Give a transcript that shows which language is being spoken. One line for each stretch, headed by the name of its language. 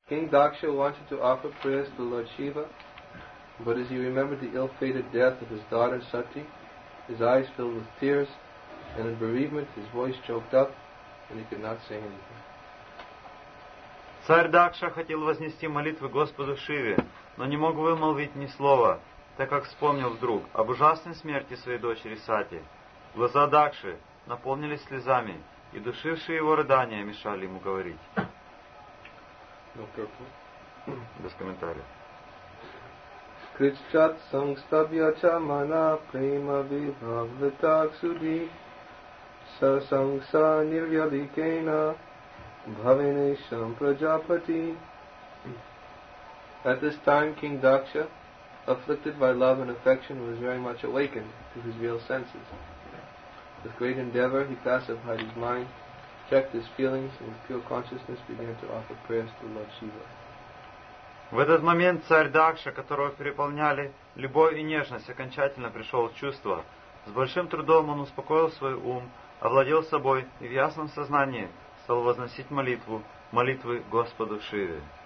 English: King Daksha wanted to offer prayers to Lord Shiva, but as he remembered the ill-fated death of his daughter Sati, his eyes filled with tears, and in bereavement his voice choked up, and he could not say anything.
Russian: Царь Дакша хотел вознести молитвы Господу Шиве, но не мог вымолвить ни слова, так как вспомнил вдруг об ужасной смерти своей дочери Сати. Глаза Дакши наполнились слезами, и душившие его рыдания мешали ему говорить. Без комментариев.
Sanskrit: Кричат сангстабья чамана према вибхавлитак суди са сангса нирвяликена Bhavinesham Prajapati.
English: At this time, King Daksha, afflicted by love and affection, was very much awakened to his real senses. With great endeavor, he pacified his mind, checked his feelings, and with pure consciousness began to offer prayers to Lord Shiva.
Russian: В этот момент царь Дакша, которого переполняли любовь и нежность, окончательно пришел в чувство. С большим трудом он успокоил свой ум, овладел собой и в ясном сознании стал возносить молитву, молитвы Господу Шиве.